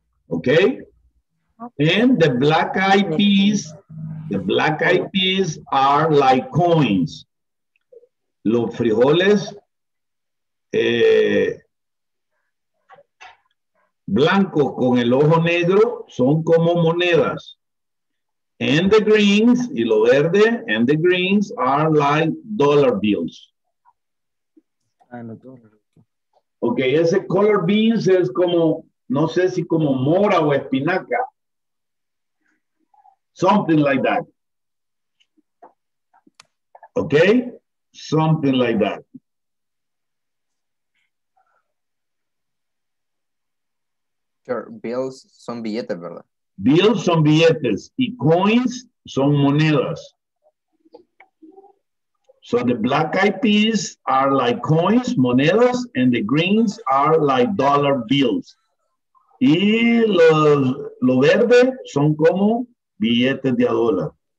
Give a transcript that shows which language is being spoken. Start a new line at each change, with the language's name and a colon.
English: Okay, and the black eyed peas are like coins.
Spanish: Los frijoles blancos con el ojo negro son como monedas.
English: And the greens,
Spanish: y lo verde,
English: and the greens are like dollar bills.
Spanish: Okay, ese color beans es como, no sé si como mora o espinaca.
English: Something like that. Okay? Something like that.
Spanish: Sure, bills son billetes, ¿verdad? Bills son billetes y coins son monedas.
English: So the black eyed peas are like coins, monedas, and the greens are like dollar bills.
Spanish: Y lo verde son como billetes de a dólar.